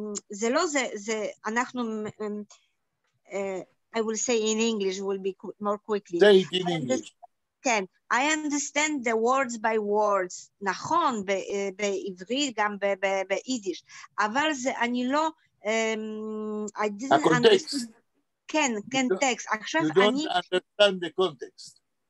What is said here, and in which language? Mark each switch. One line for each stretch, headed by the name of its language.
Hebrew: זה לא זה, זה אנחנו,
English: I will say in English, will be more quickly. Say it in English.
Hebrew: כן,
English: I understand the words by words,
Hebrew: נכון, בעברית, גם ביידיש, אבל זה אני לא,
English: I didn't understand.
Hebrew: כן, כן, טקסט.
English: You don't understand the context.